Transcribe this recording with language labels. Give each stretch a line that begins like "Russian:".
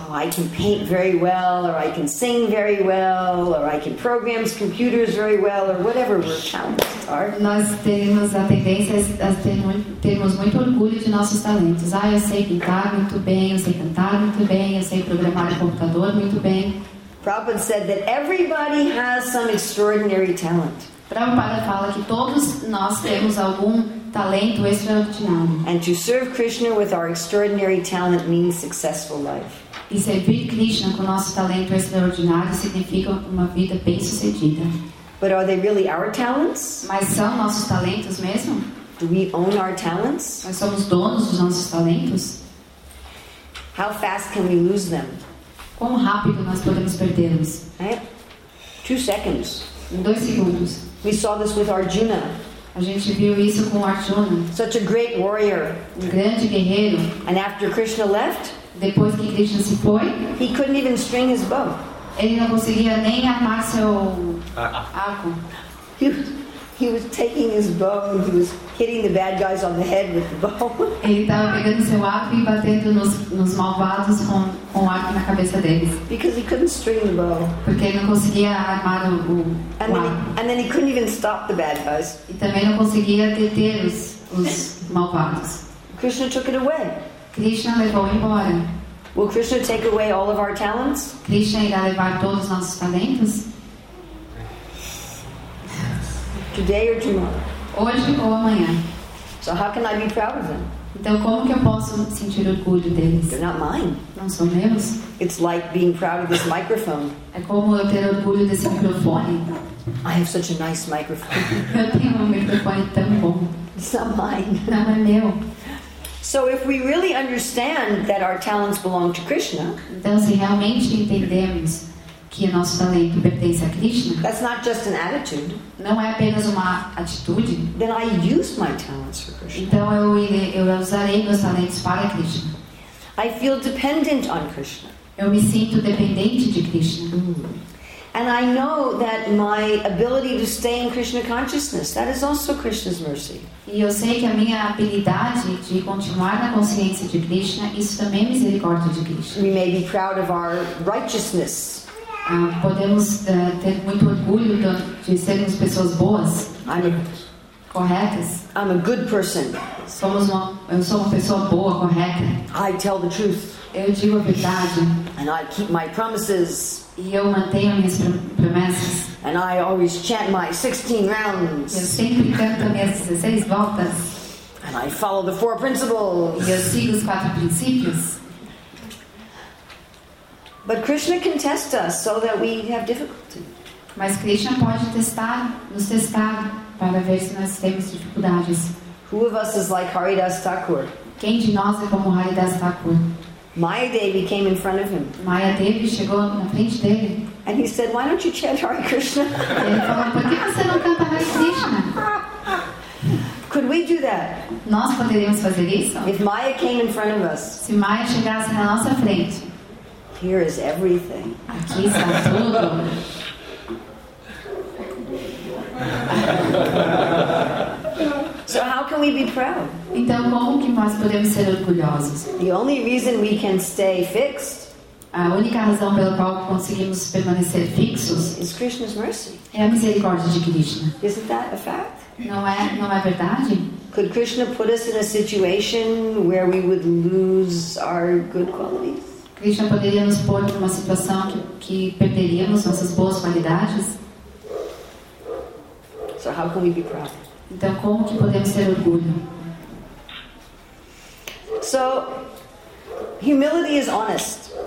English: I can paint very well, or I can sing very well, or I can program computers very well, or whatever our talents are.
Portuguese: Nós temos a tendência a termos muito orgulho de nossos talentos. Ah, eu sei pintar muito bem, eu sei cantar muito bem, eu sei programar o computador muito bem.
English: Prabhupada said that everybody has some extraordinary talent.
Portuguese: Prabhupada fala que todos nós temos algum talento extraordinário.
English: And to serve Krishna with our extraordinary talent means successful life.
Portuguese: E servir Krishna com nosso talento extraordinário significa uma vida bem sucedida.
English: But are they really our talents?
Portuguese: Mas são nossos talentos mesmo?
English: Do we own our talents?
Portuguese: Nós somos donos dos nossos talentos?
English: How fast can we lose them?
Portuguese: Quão rápido nós podemos perdê-los?
English: Right? 2 seconds.
Portuguese: Em 2 segundos.
English: We saw this with Arjuna.
Portuguese: A gente viu isso com Arjuna.
English: Such a great warrior.
Portuguese: Um grande guerreiro.
English: And after Krishna left.
Portuguese: Depois que Krishna se foi,
English: he couldn't even string his bow.
Portuguese: Ele não conseguia nem armar seu arco.
English: He was taking his bow and he was hitting the bad guys on the head with the bow.
Portuguese: Ele estava pegando seu arco e batendo nos malvados com o arco na cabeça deles.
English: Because he couldn't string the bow.
Portuguese: Porque ele não conseguia armar o arco.
English: And then he couldn't even stop the bad guys.
Portuguese: E também não conseguia deter os malvados.
English: Krishna took it away.
Portuguese: Krishna levou embora.
English: Will Krishna take away all of our talents?
Portuguese: Krishna irá levar todos os nossos talentos?
English: Today or tomorrow?
Portuguese: Hoje ou amanhã?
English: So how can I be proud of them?
Portuguese: Então como que eu posso sentir orgulho deles?
English: They're not mine.
Portuguese: Não são meus.
English: It's like being proud of this microphone.
Portuguese: É como eu ter orgulho desse microfone.
English: I have such a nice microphone.
Portuguese: Eu tenho microfone tão bom.
English: It's not mine.
Portuguese: Não é meu.
English: So if we really understand that our talents belong to Krishna,
Portuguese: então se realmente entendemos que o nosso talento pertence a Krishna,
English: that's not just an attitude.
Portuguese: Não é apenas uma atitude.
English: Then I use my talents for Krishna.
Portuguese: Então eu usarei meus talentos para Krishna.
English: I feel dependent on Krishna.
Portuguese: Eu me sinto dependente de Krishna.
English: And I know that my ability to stay in Krishna consciousness, that is also Krishna's mercy.
Portuguese: E eu sei que a minha habilidade de continuar na consciência de Krishna, isso também é misericórdia de Krishna.
English: We may be proud of our righteousness.
Portuguese: Podemos ter muito orgulho de sermos pessoas boas. Corretas.
English: I'm a good person.
Portuguese: Eu sou uma pessoa boa, correta.
English: I tell the truth.
Portuguese: Eu digo a verdade.
English: And I keep my promises.
Portuguese: E eu mantenho minhas promessas.
English: And I always chant my 16 rounds.
Portuguese: Eu sempre canto minhas 16 voltas.
English: And I follow the 4 principles.
Portuguese: E eu sigo os 4 princípios.
English: But Krishna can test us so that we have difficulty.
Portuguese: Mas Krishna pode nos testar para ver se nós temos dificuldades.
English: Who of us is like Haridas Thakur?
Portuguese: Quem de nós é como Haridas Thakur?
English: Maya Devi came in front of him.
Portuguese: Maya Devi chegou na frente dele.
English: And he said, "Why don't you chant Hare Krishna?"
Portuguese: Ele falou, "Por que você não canta Hare Krishna?"
English: Could we do that?
Portuguese: Nós poderíamos fazer isso?
English: If Maya came in front of us,
Portuguese: se Maya chegasse na nossa frente,
English: here is everything.
Portuguese: Aqui está tudo.
English: So how can we be proud?
Portuguese: Então como que nós podemos ser orgulhosos?
English: The only reason we can stay fixed,
Portuguese: a única razão pela qual conseguimos permanecer fixos,
English: is Krishna's mercy.
Portuguese: É a misericórdia de Krishna.
English: Isn't that a fact?
Portuguese: Não é verdade?
English: Could Krishna put us in a situation where we would lose our good qualities?
Portuguese: Krishna poderia nos pôr numa situação que perderíamos nossas boas qualidades?
English: So how can we be proud?
Portuguese: Então como que podemos ter orgulho?
English: So humility is honest.